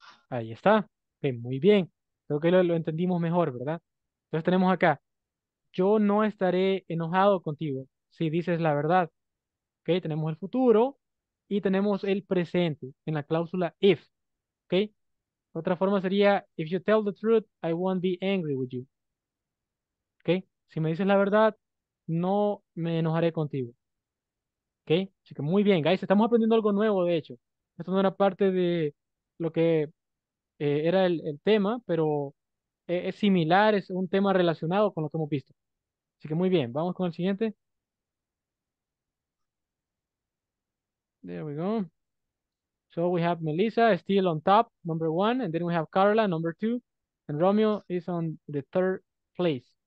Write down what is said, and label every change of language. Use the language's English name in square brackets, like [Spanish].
[Spanish] Ahí está. Okay, muy bien. Creo que lo entendimos mejor, ¿verdad? Entonces tenemos acá, yo no estaré enojado contigo si dices la verdad. Okay, tenemos el futuro y tenemos el presente en la cláusula if. Okay. Otra forma sería, [English] if you tell the truth, I won't be angry with you. [Spanish] Okay. Si me dices la verdad, no me enojaré contigo. Okay. Así que muy bien, guys. Estamos aprendiendo algo nuevo, de hecho. Esto no era parte de lo que era el tema, pero es similar, es un tema relacionado con lo que hemos visto. Así que muy bien, vamos con el siguiente. [English] There we go. So we have Melissa still on top, number one, and then we have Carla, number two, and Romeo is on the third place.